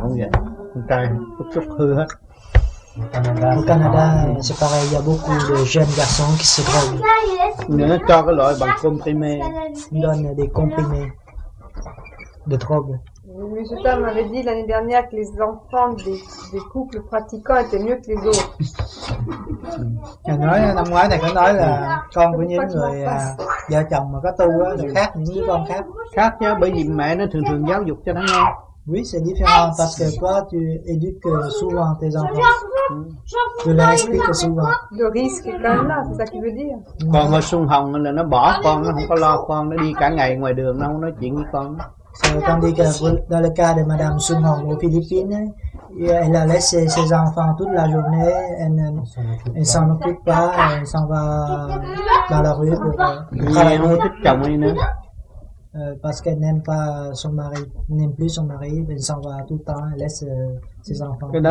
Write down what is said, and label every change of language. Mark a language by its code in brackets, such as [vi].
[fr] au Canada, c'est pareil, il y a beaucoup de jeunes garçons qui se droguent. Ils donnent des comprimés de drogue. Oui, je t'avais dit l'année dernière que les enfants des couples pratiquants étaient mieux que les autres. [vi] Quand nói năm ngoái này có nói là con của những người vợ chồng mà có tu á là khác những đứa con khác. Khác chứ, bởi vì mẹ nó thường thường giáo dục cho nó nghe. [fr] Oui, c'est différent parce que toi tu éduques souvent tes enfants. Je leur explique souvent. Le risque est quand même là, c'est ça qu'il veut dire. [vi] Còn mà sung hồng là nó bỏ con, nó không có lo con, nó đi cả ngày ngoài đường, nó không nói chuyện với con. [fr] Tandis que dans le cas de Madame Sun Hong aux Philippines, elle a laissé ses enfants toute la journée, elle ne s'en occupe pas, elle s'en va dans la rue pour travailler. Parce qu'elle n'aime pas son mari, elle n'aime plus son mari, elle s'en va tout le temps, elle laisse ses enfants.